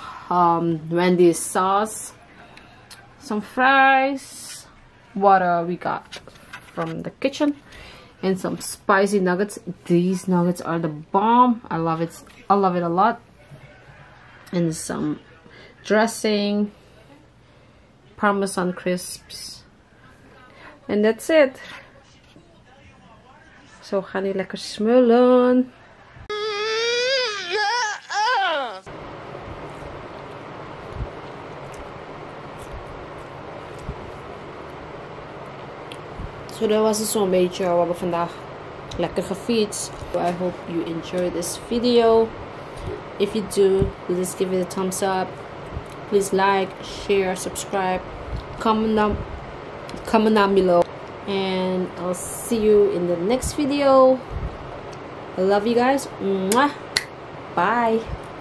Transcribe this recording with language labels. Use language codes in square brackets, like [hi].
[en] Wendy's sauce, some fries, water we got from the kitchen, and some spicy nuggets. These nuggets are the bomb. I love it a lot. And some dressing, Parmesan crisps, and that's it. [nl] So gaan we lekker smullen. [en] So that was [nl] zo'n beetje. We hebben vandaag lekker gefietst. [en] I hope you enjoyed this video. If you do, please give it a thumbs up. Please like, share, subscribe, comment down below. And I'll see you in the next video. I love you guys. Mwah. Bye.